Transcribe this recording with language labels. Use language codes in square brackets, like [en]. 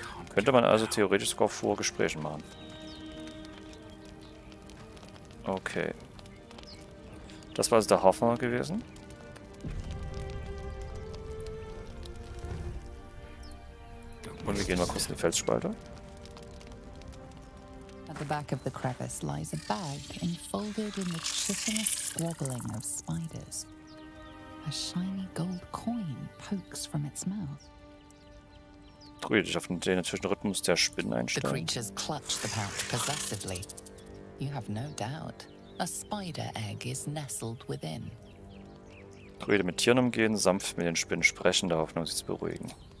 [de] Könnte man also theoretisch sogar vor Gesprächen machen. Okay. Das war also der Hafner gewesen. Und wir gehen mal kurz in die Felsspalte. [en] At the back of the crevice lies a bag enfolded in the chitinous squabbling of spiders. A shiny gold coin pokes from its mouth. [de] Druid, ich auf den natürlichen Rhythmus der Spinnen einstellen. [en] The creatures clutch the pouch possessively. You have no doubt. A spider egg is nestled within. [de] Druid, mit Tieren umgehen, sanft mit den Spinnen sprechen, der Hoffnung, sie zu beruhigen.